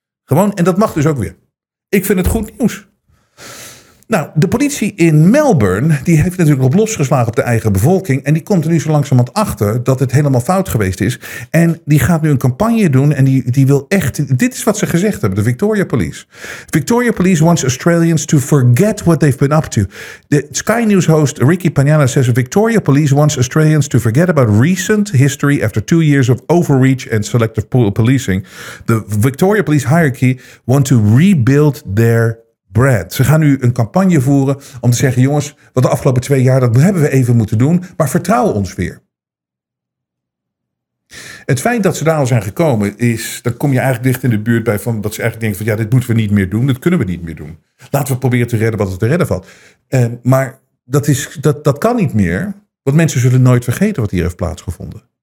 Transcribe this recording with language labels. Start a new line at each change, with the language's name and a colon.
Dutch: Gewoon, en dat mag dus ook weer. Ik vind het goed nieuws. Nou, de politie in Melbourne, die heeft natuurlijk op losgeslagen op de eigen bevolking. En die komt er nu zo langzamerhand achter dat het helemaal fout geweest is. En die gaat nu een campagne doen en die wil echt... Dit is wat ze gezegd hebben, de Victoria Police.
English: Victoria Police wants Australians to forget what they've been up to. De Sky News host Ricky Pagnana says... Victoria Police wants Australians to forget about recent history... after 2 years of overreach and selective policing. The Victoria Police hierarchy want to rebuild their... Brad.
Dutch: Ze gaan nu een campagne voeren om te zeggen, jongens, wat de afgelopen 2 jaar, dat hebben we even moeten doen, maar vertrouw ons weer. Het feit dat ze daar al zijn gekomen is, dan kom je eigenlijk dicht in de buurt bij van dat ze eigenlijk denken van, ja, dit moeten we niet meer doen, dat kunnen we niet meer doen. Laten we proberen te redden wat er te redden valt. Maar dat kan niet meer, want mensen zullen nooit vergeten wat hier heeft plaatsgevonden.